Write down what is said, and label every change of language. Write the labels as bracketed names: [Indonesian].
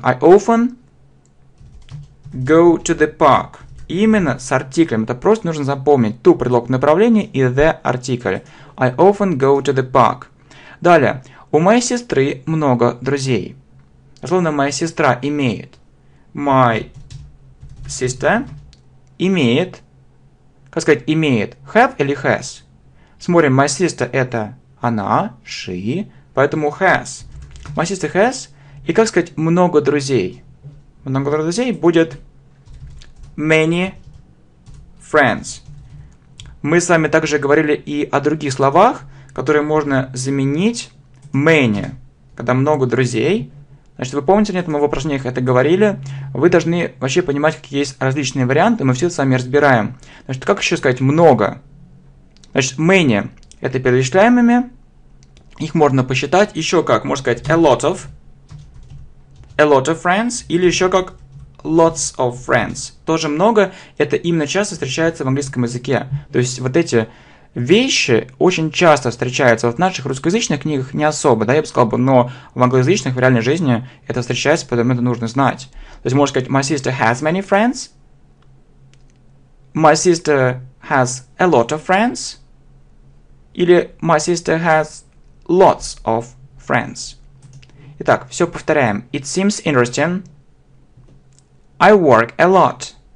[English] I often go to the park. [Russian] Именно с артиклем. Это просто нужно запомнить. To – предлог направления и the – артикль. [English] I often go to the park. Далее. [Russian] У моей сестры много друзей. Словно моя сестра имеет. My sister имеет. Как сказать имеет? Have или has? Смотрим. My sister – это она, she. Поэтому has. [English] My sister has. [Russian] И как сказать много друзей? Много друзей будет [English] many friends. [Russian] Мы с вами также говорили и о других словах, которые можно заменить many, когда много друзей. Значит, вы помните, нет, мы в упражнениях это говорили. Вы должны вообще понимать, какие есть различные варианты, мы все с вами разбираем. Значит, как еще сказать много? Значит, many это перечисляемыми, их можно посчитать. Еще как, можно сказать [English] a lot of friends, [Russian] или еще как [English] lots of friends. [Russian] Тоже много, это именно часто встречается в английском языке. То есть вот эти вещи очень часто встречаются. Вот в наших русскоязычных книгах не особо, да, я бы сказал бы, но в англоязычных, в реальной жизни это встречается, поэтому это нужно знать. То есть можно сказать [English] my sister has many friends, my sister has a lot of friends, или my sister has lots of friends. Итак, все повторяем. It seems interesting. I work a lot.